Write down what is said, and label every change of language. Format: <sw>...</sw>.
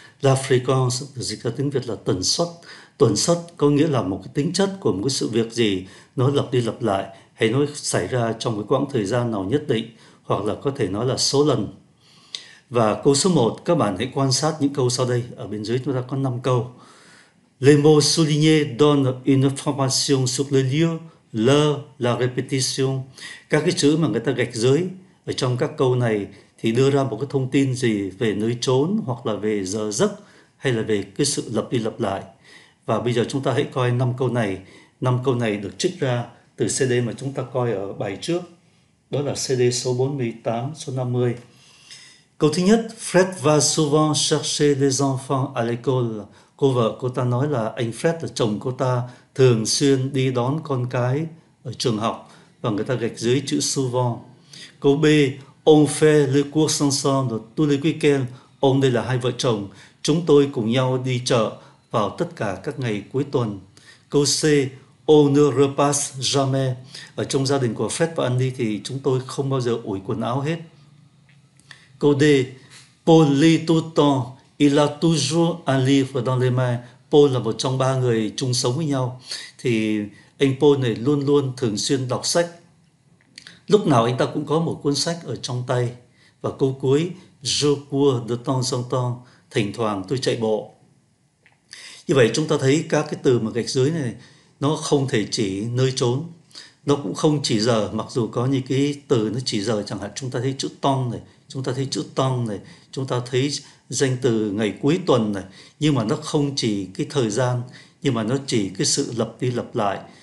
<vi>La fréquence dịch ra tiếng Việt là tần suất. Tần suất có nghĩa là một cái tính chất của một cái sự việc gì nó lặp đi lặp lại hay nó xảy ra trong cái quãng thời gian nào nhất định, hoặc là có thể nói là số lần. Và câu số 1, các bạn hãy quan sát những câu sau đây. Ở bên dưới chúng ta có 5 câu.</vi> <fr>Les mots soulignés donnent une information sur le lieu. Le là répétition.</fr> <vi>Các cái chữ mà người ta gạch dưới ở trong các câu này thì đưa ra một cái thông tin gì về nơi chốn, hoặc là về giờ giấc, hay là về cái sự lặp đi lặp lại. Và bây giờ chúng ta hãy coi 5 câu này. 5 câu này được trích ra từ CD mà chúng ta coi ở bài trước. Đó là CD số 48, số 50. Câu thứ nhất,</vi> <fr>Fred va souvent chercher les enfants à l'école.</fr> <vi>Cô vợ cô ta nói là anh Fred, là chồng cô ta, thường xuyên đi đón con cái ở trường học. Và người ta gạch dưới chữ souvent. Câu B,</vi> <fr>on fait le cours ensemble tous les week-ends.</fr> <vi>Ông đây là hai vợ chồng. Chúng tôi cùng nhau đi chợ vào tất cả các ngày cuối tuần. Câu C,</vi> <fr>on ne repasse jamais.</fr> <vi>Ở trong gia đình của Fred và Andy thì chúng tôi không bao giờ ủi quần áo hết. Câu D,</vi> <fr>Paul lit tout le temps. Il a toujours un livre dans les mains.</fr> <vi>Paul là một trong ba người chung sống với nhau. Thì anh Paul này luôn luôn thường xuyên đọc sách. Lúc nào anh ta cũng có một cuốn sách ở trong tay. Và câu cuối,</vi> <fr>je cours de temps en temps.</fr> <vi>Thỉnh thoảng tôi chạy bộ. Như vậy chúng ta thấy các cái từ mà gạch dưới này, nó không thể chỉ nơi chốn. Nó cũng không chỉ giờ, mặc dù có những cái từ nó chỉ giờ. Chẳng hạn chúng ta thấy chữ temps này, chúng ta thấy chữ temps này, chúng ta thấy danh từ ngày cuối tuần này, nhưng mà nó không chỉ cái thời gian, nhưng mà nó chỉ cái sự lặp đi lặp lại.</vi>